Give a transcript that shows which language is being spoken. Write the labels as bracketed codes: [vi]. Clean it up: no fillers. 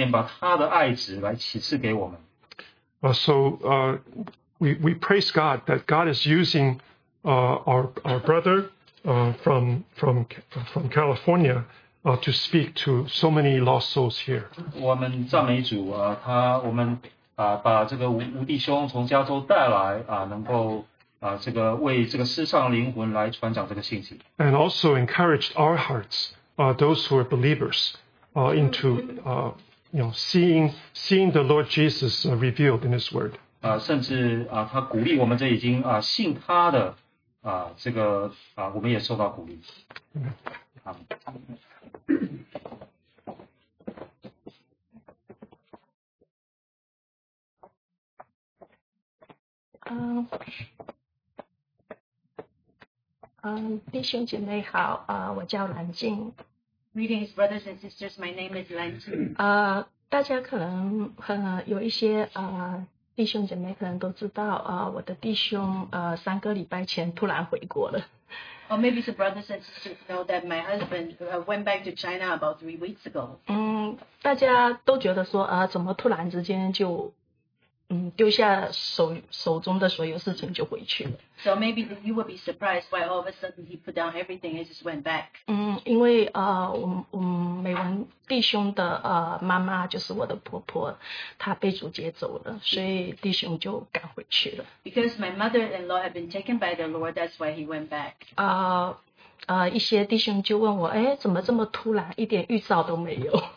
[zh] 因为神在他的话语里面把他的爱子来启示给我们。 [en] So we praise God that God is using our brother from California to speak to so many lost souls here. [zh] 我们赞美主, 他我们 把这个吴弟兄从加州带来, 能够, 这个为这个世上灵魂来传讲这个信息。 [en] And also encouraged our hearts, those who are believers, into you know, seeing the Lord Jesus revealed in his word. [zh] 甚至他鼓励我们这已经信他的这个我们也受到鼓励。弟兄姐妹好, 我叫蓝静。 [en] Greetings, brothers and sisters. My name is Lan Jing. [zh] 大家可能有一些弟兄姐妹可能都知道我的弟兄三个礼拜前突然回国了。 [en] Or maybe the brothers and sisters know that my husband went back to China about 3 weeks ago. [zh] 大家都觉得说怎么突然之间就 丢下手中的所有事情就回去了。 [en] So maybe you would be surprised why all of a sudden he put down everything and just went back. [zh] 因为美文弟兄的妈妈就是我的婆婆, 她被主接走了,所以弟兄就赶回去了。 [en] Because my mother-in-law had been taken by the Lord, that's why he went back. [zh] 一些弟兄就问我, 怎么这么突然, 一点预兆都没有。